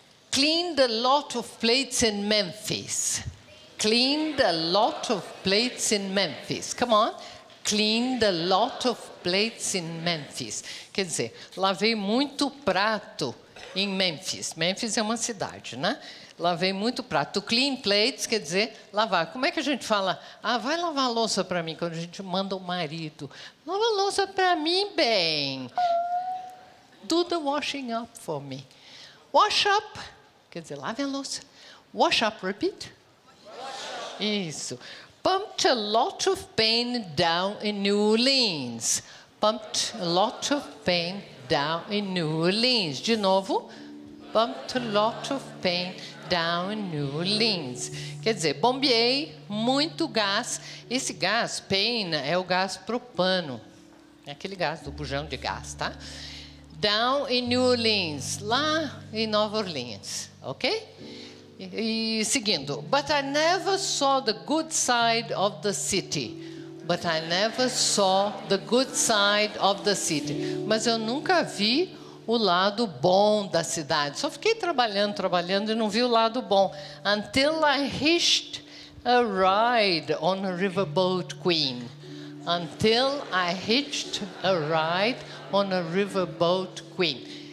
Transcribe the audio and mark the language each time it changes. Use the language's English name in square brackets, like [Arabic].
[English] Cleaned a lot of plates in Memphis. Cleaned a lot of plates in Memphis. Come on. Cleaned a lot of plates in Memphis. [Portuguese] Quer dizer, lavei muito prato em Memphis. Memphis é uma cidade, né? Lavei muito prato. [English] To clean plates [Portuguese] quer dizer lavar. Como é que a gente fala? Ah, vai lavar a louça para mim, quando a gente manda o marido. Lava a louça para mim, bem. [English] Do the washing up for me. Wash up, [Portuguese] quer dizer, lave a louça. [English] Wash up, repeat. Wash up. [Portuguese] Isso. [English] Pumped a lot of paint down in New Orleans. Pumped a lot of paint down in New Orleans. [Portuguese] De novo. [English] Pumped a lot of paint down in New Orleans. [Portuguese] Quer dizer, bombeei muito gás. Esse gás, paint, é o gás propano. É aquele gás do bujão de gás, tá? [English] Down in New Orleans, [Portuguese] lá em Nova Orleans, ok? E seguindo, [English] but I never saw the good side of the city. But I never saw the good side of the city. [Portuguese] Mas eu nunca vi o lado bom da cidade. Só fiquei trabalhando, trabalhando e não vi o lado bom. [English] Until I hitched a ride on a riverboat queen. Until I hitched a ride on a riverboat queen.